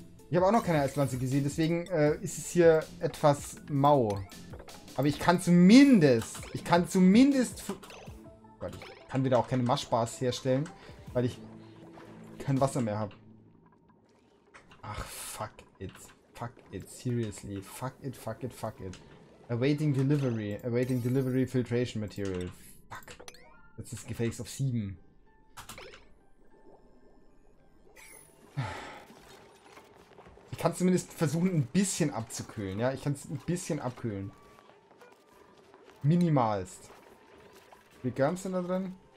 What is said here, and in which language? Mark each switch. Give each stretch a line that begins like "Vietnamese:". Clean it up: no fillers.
German: Ich habe auch noch keine Eispflanze gesehen, deswegen ist es hier etwas mau. Aber ich kann zumindest, oh Gott, ich kann wieder auch keine Maschbars herstellen, weil ich kein Wasser mehr habe.
English: Ach, fuck it, seriously, fuck it. Awaiting delivery filtration material. Fuck.
German: Jetzt ist gefälligst auf 7. Ich kann zumindest versuchen, ein bisschen abzukühlen. Ja, ich kann es ein bisschen abkühlen. Minimalst. Wie viele Germs sind da drin?